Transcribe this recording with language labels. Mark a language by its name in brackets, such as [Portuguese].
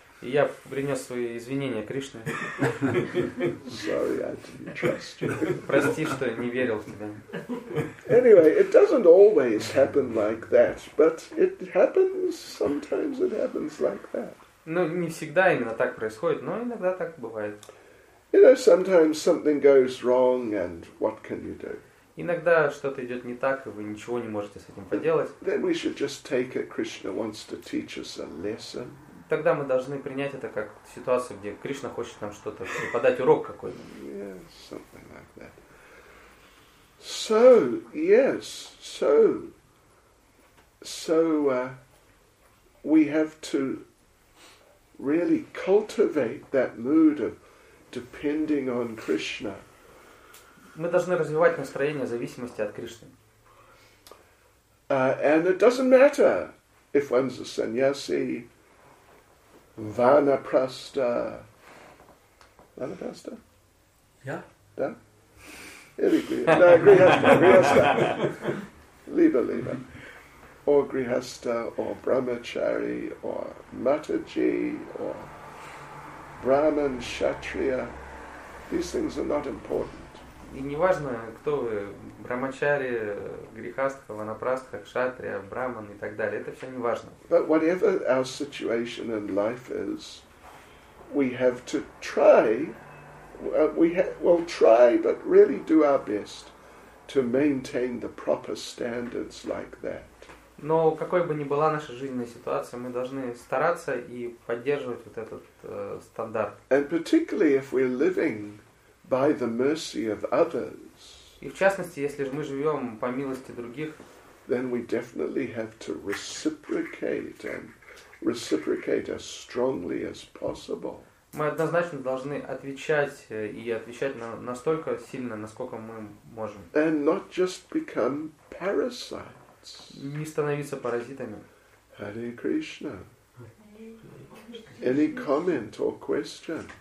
[Russian] Я принес свои извинения Кришне. [English] Sorry, I didn't trust you. [Russian] Прости, что не верил в тебя. [English] Anyway, it doesn't always happen like that, but it happens, sometimes it happens like that. [Russian] Ну, не всегда именно так происходит, но иногда так бывает. [English] You know, sometimes something goes wrong and what can you do? [Russian] Иногда что-то идет не так, и вы ничего не можете с этим поделать. [English] Then we should just take it, Krishna wants to teach us a lesson. [Russian] Тогда мы должны принять это как ситуацию, где Кришна хочет нам что-то преподать, урок какой-то. [English] Yes, something like that. So, yes, so, so we have to really cultivate that mood of depending on Krishna. [Russian] Мы должны развивать настроение зависимости от Кришны. [English] And it doesn't matter if one's a sannyasi. Vanaprastha. Vanaprastha? Yeah. [Russian] Да? Или Грихаста. No, Грихаста. Грихаста. Либо. [English] Or Грихаста, or Брамачари, or Матаджи, or Браман, Шатрия. These things are not important. [Russian] И не важно, кто вы, Брамачари, Грихаста, Ванапрастха, Кшатрия, Браман и так далее. Это все не важно. [English] But whatever our situation in life is, we have to try, we'll try, but really do our best to maintain the proper standards like that. [Russian] Но какой бы ни была наша жизненная ситуация, мы должны стараться и поддерживать вот этот стандарт. [English] And particularly if we're living by the mercy of others. [Russian] И в частности, если же мы живем по милости других, [English] then we definitely have to reciprocate and reciprocate as strongly as possible. [Russian] Мы однозначно должны отвечать и отвечать настолько сильно, насколько мы можем. [English] And not just become parasites. [Russian] Не становиться паразитами. [English] Hare Krishna. Any comment or question?